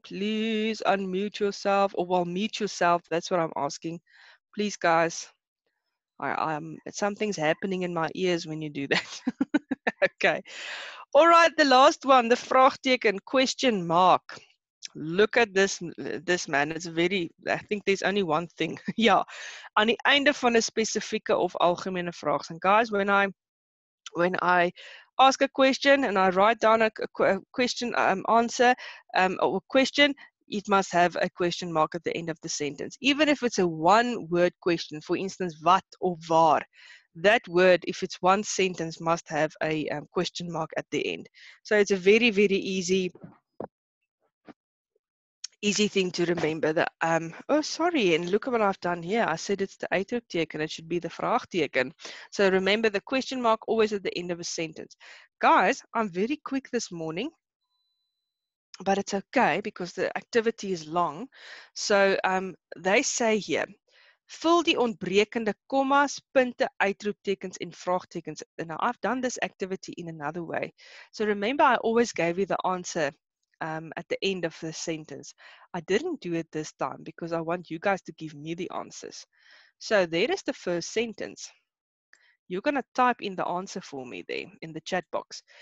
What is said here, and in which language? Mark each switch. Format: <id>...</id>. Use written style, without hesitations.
<en>Please unmute yourself, that's what I'm asking. Please, guys, something's happening in my ears when you do that. Okay. All right, the last one, the vraagteken, question mark. Look at this man. It's very, I think there's only one thing. Yeah.</en> <af>Aan die einde van 'n spesifieke of algemene vraag.</af> <en>And guys, when I ask a question and I write down a question, it must have a question mark at the end of the sentence. Even if it's a one word question, for instance, wat or waar, that word, if it's one sentence, must have a question mark at the end. So it's a very, very easy thing to remember that, and look at what I've done here. I said it's the uitroepteken, it should be the vraagteken. So remember the question mark always at the end of a sentence. Guys, I'm very quick this morning, but it's okay because the activity is long.</en> <af>So they say here, vul die ontbrekende kommas, punte, uitroeptekens en vraagtekens.</af> <en>And now I've done this activity in another way. So remember I always gave you the answer at the end of the sentence. I didn't do it this time because I want you guys to give me the answers. So there is the first sentence. You're going to type in the answer for me there in the chat box.</en>